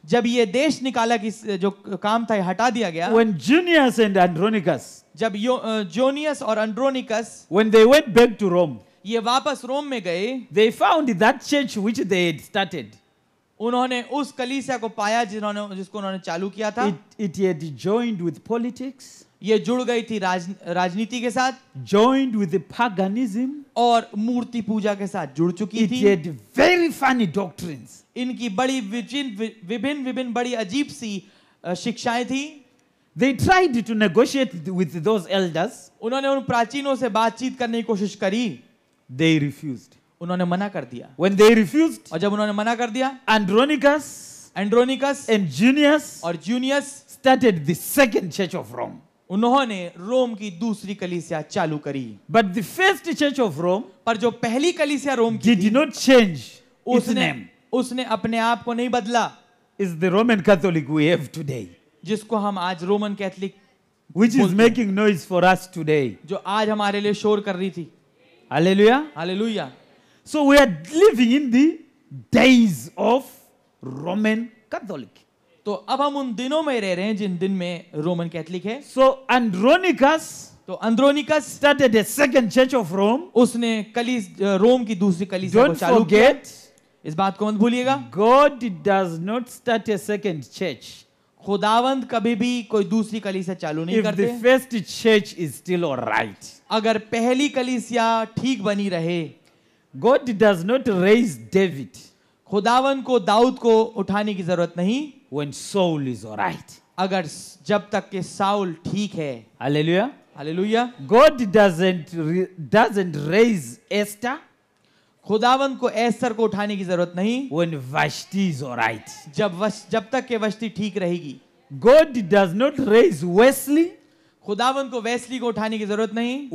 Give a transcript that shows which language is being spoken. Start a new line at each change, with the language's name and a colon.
Hindi: जब ये देश निकाला कि जो काम था ये हटा दिया गया.
English: When Junius and Andronicus,
Hindi: जब जूनियस और Andronicus,
English: when they went back to Rome,
Hindi: ये वापस रोम में गए.
English: They found that church which they had started.
Hindi: उन्होंने उस कलीसिया को पाया जिन्होंने जिसको उन्होंने चालू किया था.
English: It had joined with politics.
Hindi: ये जुड़ गई थी राजनीति के साथ.
English: Joined with the paganism.
Hindi: और मूर्ति पूजा के साथ जुड़ चुकी थी.
English: It had very funny doctrines.
Hindi: इनकी बड़ी विभिन्न विभिन्न बड़ी अजीब सी शिक्षाएं थी.
English: They tried to negotiate with those elders.
Hindi: उन्होंने उन प्राचीनों से बातचीत करने की कोशिश करी.
English: They refused.
Hindi: उन्होंने मना कर दिया.
English: When they refused,
Hindi: और जब उन्होंने मना कर दिया,
English: Andronicus and Junius,
Hindi: और Junius
English: started the second church of Rome.
Hindi: उन्होंने रोम की दूसरी कलीसिया चालू करी.
English: But the first church of Rome,
Hindi: पर जो पहली कलीसिया रोम की थी,
English: did not change its name.
Hindi: उसने अपने आप को नहीं बदला.
English: is the Roman Catholic we have today.
Hindi: जिसको हम आज Roman Catholic
English: Which is making noise for us today.
Hindi: जो आज हमारे लिए शोर कर रही थी. Hallelujah. Hallelujah.
English: So we are living in the days of Roman Catholic.
Hindi: तो अब हम उन दिनों में रह रहे हैं जिन दिन में रोमन कैथोलिक है.
English: So Andronicus.
Hindi: तो Andronicus
English: started a second church of Rome.
Hindi: उसने कली रोम की दूसरी कली से चालू किया.
English: Don't forget.
Hindi: इस बात को मत भूलिएगा.
English: God does not start a second church.
Hindi: खुदावंद कभी भी कोई दूसरी कलीसिया चालू नहीं
English: If
Hindi: करते
English: the first church is still all right,
Hindi: अगर पहली कलीसिया ठीक बनी रहे
English: God does not raise David,
Hindi: खुदावंद को दाऊद को उठाने की जरूरत नहीं
English: when Saul is all right,
Hindi: अगर जब तक के साउल ठीक है Hallelujah. Hallelujah.
English: God doesn't raise Esther,
Hindi: खुदावन को एस्तर को उठाने की जरूरत नहीं
English: When Vashti is all right.
Hindi: जब तक के वश्ती ठीक रहेगी
English: God does not raise Wesley,
Hindi: खुदावन को वेस्ली को उठाने की जरूरत नहीं